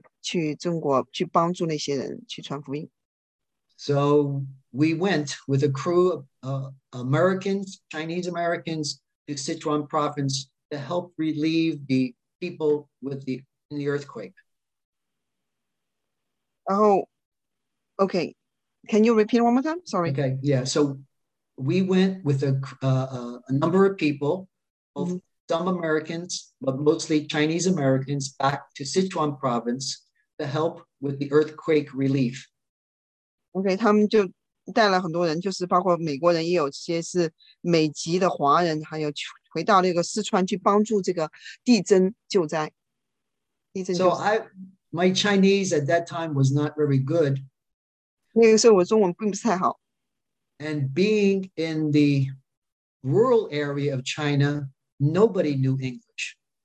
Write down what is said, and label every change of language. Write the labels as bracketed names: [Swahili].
[Chinese] 一个星期之后呢，这个地震之后呢，然后牧师又说，邀请我要不要继续去中国去帮助那些人去传福音。 [English] So we went with a crew of Americans, Chinese Americans, to Sichuan province to help relieve the people with the in the earthquake. Oh, okay. Can you repeat one more time? Sorry. Okay. Yeah. So we went with a number of people, both some Americans, but mostly Chinese Americans, back to Sichuan province to help with the earthquake relief. [Chinese] Okay, 他们就带了很多人，就是包括美国人，也有些是美籍的华人，还有回到那个四川去帮助这个地震救灾。 [English] So my Chinese at that time was not very good. [Chinese] 那个时候我中文并不太好。 [English] And being in the rural area of China, nobody knew English.